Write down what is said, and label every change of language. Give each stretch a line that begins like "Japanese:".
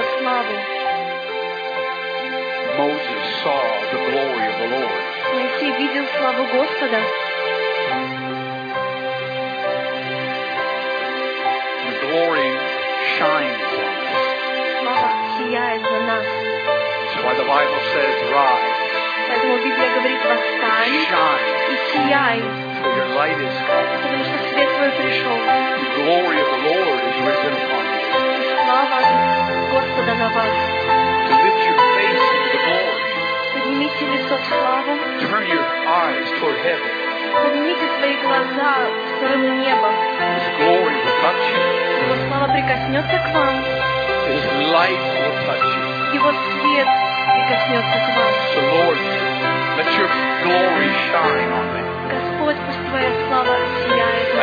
English: Moses saw the glory of the Lord.
Russian: Моисей видел славу Господа.
English: The glory shines on us.
Russian: Слава сияет на нас.
English: That's why the Bible says, "Rise."
Russian: Поэтому Библия говорит: «Восстань и сияй».
English: For your light is come.
Russian: Потому что свет твой пришел.
English: The glory of the Lord is risen upon you. To lift your face to the glory.
Russian: Поднимите лицо к славе.
English: Turn your eyes toward heaven.
Russian: Поднимите свои глаза в сторону неба.
English: His glory will touch you.
Russian: Его слава прикоснется к вам.
English: His light will touch you.
Russian: Его свет прикоснется к вам.
English: So Lord, let your glory shine on me.
Russian: Господь, пусть твоя слава сияет на